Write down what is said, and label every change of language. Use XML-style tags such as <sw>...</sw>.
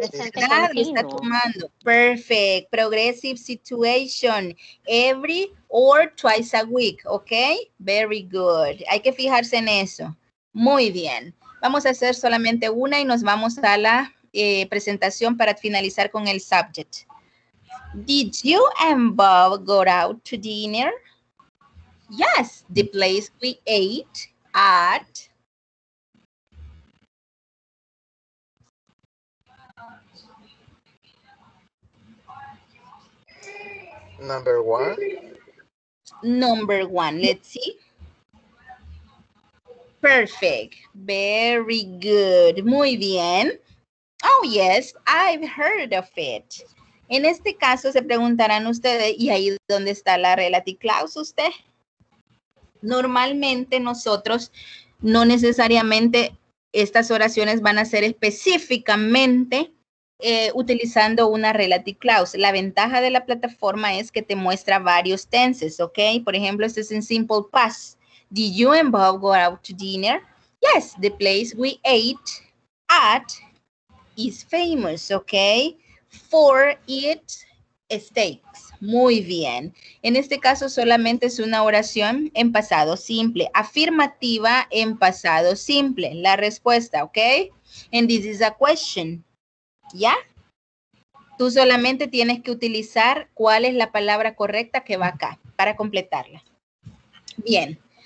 <es>Está tomando.</es> <en>Perfect. Progressive situation. Every or twice a week. Ok. Very good.</en> <es>Hay que fijarse en eso. Muy bien. Vamos a hacer solamente una y nos vamos a la presentación para finalizar con el subject.</es> <en>Did you and Bob go out to dinner? Yes, the place we ate at. Number one. Number one. Let's see. Perfect. Very good.</en> <es>Muy bien.</es> <en>Oh, yes. I've heard of it.</en> <es>En este caso, se preguntarán ustedes, ¿y ahí dónde está la relative clause usted? Normalmente nosotros no necesariamente estas oraciones van a ser específicamente utilizando una relative clause. La ventaja de la plataforma es que te muestra varios tenses, ¿ok? Por ejemplo, este es en simple past.</es> <en>Did you and Bob go out to dinner? Yes, the place we ate at is famous, ¿ok? For it steaks.</en> <es>Muy bien. En este caso solamente es una oración en pasado simple. Afirmativa en pasado simple. La respuesta, ¿ok?</es> <en>And this is a question. ¿Ya?</en> <es>Tú solamente tienes que utilizar cuál es la palabra correcta que va acá para completarla. Bien.</es>